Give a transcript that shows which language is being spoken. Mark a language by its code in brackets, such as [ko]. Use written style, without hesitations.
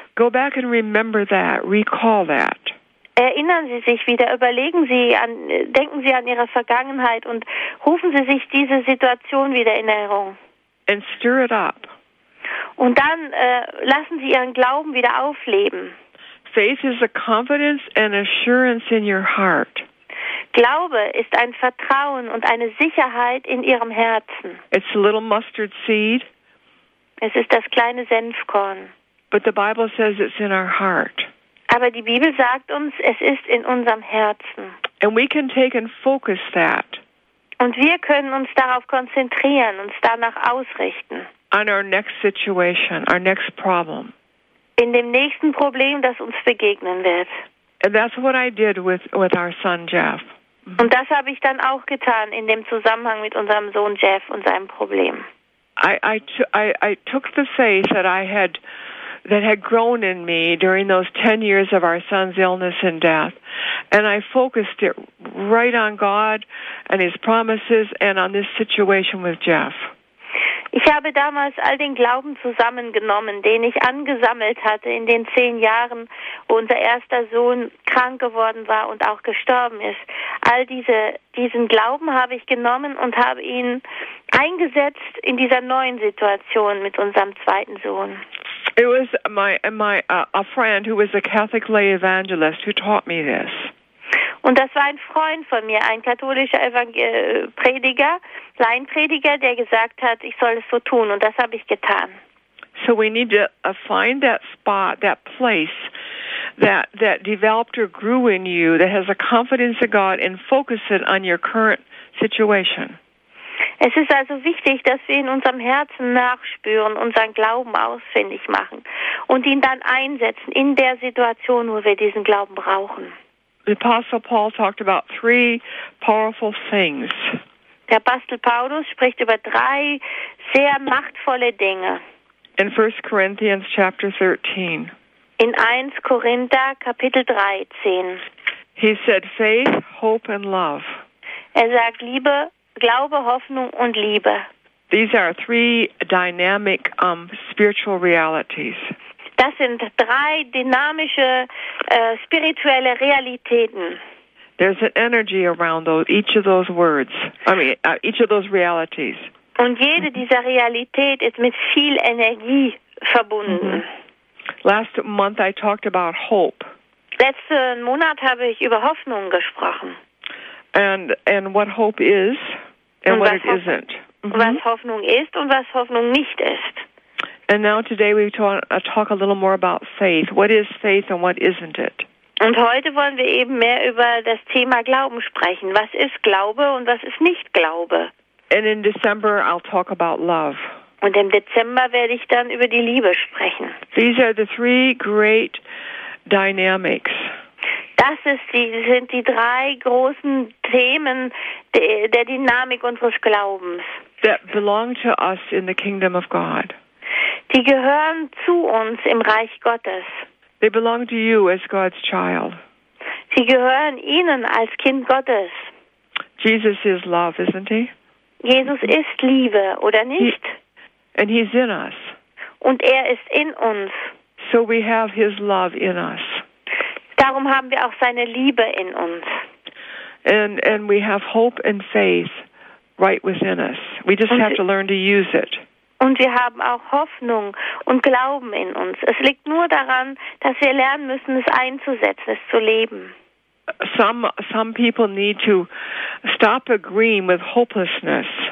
[en] Go back and remember that. Recall that. [de] Erinnern Sie sich wieder, überlegen Sie an, denken Sie an Ihre Vergangenheit und rufen Sie sich diese Situation wieder in Erinnerung. [en] And stir it up. [de] Und dann lassen Sie Ihren Glauben wieder aufleben. [en] Faith is a confidence and assurance in your heart. [de] Glaube ist ein Vertrauen und eine Sicherheit in Ihrem Herzen. [en] It's a little mustard seed. [de] Es ist das kleine Senfkorn. [en] But the Bible says it's in our heart. [de] Aber die Bibel sagt uns, es ist in unserem Herzen. [en] And we can take and focus that. [de] Und wir können uns darauf konzentrieren, uns danach ausrichten. [en] On our next situation, our next problem. [de] In dem nächsten Problem, das uns begegnen wird. [en] And that's what I did with our son Jeff. [de] Und das habe ich dann auch getan in dem Zusammenhang mit unserem Sohn Jeff und seinem Problem. [en] I took the faith that I had, that had grown in me during those 10 years of our son's illness and death, and I focused it right on God and his promises and on this situation with Jeff. [de] Ich habe damals all den Glauben zusammengenommen, den ich angesammelt hatte in den 10 Jahren, wo unser erster Sohn krank geworden war und auch gestorben ist. All diesen Glauben habe ich genommen und habe ihn eingesetzt in dieser neuen Situation mit unserem zweiten Sohn. [en] It was a friend who was a Catholic lay evangelist who taught me this. [de] Und das war ein Freund von mir, ein katholischer Prediger, Laienprediger, der gesagt hat, ich soll es so tun. Und das habe ich getan. [en] So we need to find that spot, that place, that developed or grew in you, that has a confidence in God and focus it on your current situation. [de] Es ist also wichtig, dass wir in unserem Herzen nachspüren, unseren Glauben ausfindig machen und ihn dann einsetzen in der Situation, wo wir diesen Glauben brauchen. [en] The Apostle Paul talked about 3 powerful things. [de] Der Apostel Paulus spricht über 3 sehr machtvolle Dinge. [en] In 1 Corinthians chapter 13. [de] In 1 Korinther Kapitel 13. [en] He said faith, hope and love. [de] Er sagt Liebe, Glaube, Hoffnung und Liebe. [en] These are 3 dynamic spiritual realities. [de] Das sind 3 dynamische spirituelle Realitäten. [en] There's an energy around each of those realities. [de] Und jede dieser Realität ist mit viel Energie verbunden. [en] Last month I talked about hope. [de] Letzten Monat habe ich über Hoffnung gesprochen. [en] And what hope is and what it isn't. [de] Was Hoffnung ist und was Hoffnung nicht ist. [en] And now today we talk a little more about faith. What is faith and what isn't it? [de] Und heute wollen wir eben mehr über das Thema Glauben sprechen. Was ist Glaube und was ist nicht Glaube? [en] And in December I'll talk about love. [de] Und im Dezember werde ich dann über die Liebe sprechen. [en] These are the 3 great dynamics. [de] Das sind die 3 großen Themen der Dynamik unseres Glaubens. [en] That belong to us in the kingdom of God. [de] Die gehören zu uns im Reich Gottes. [en] They belong to you as God's child. [de] Sie gehören Ihnen als Kind Gottes. [en] Jesus is love, isn't he? [de] Jesus ist Liebe, oder nicht? [en] And he's in us. [de] Und er ist in uns. [en] So we have his love in us. [de] Darum haben wir auch seine Liebe in uns. [en] And we have hope and faith right within us. We just have to learn to use it. [de] Und wir haben auch Hoffnung und Glauben in uns. Es liegt nur daran, dass wir lernen müssen, es einzusetzen, es zu leben. [en] Some people need to stop agreeing with hopelessness.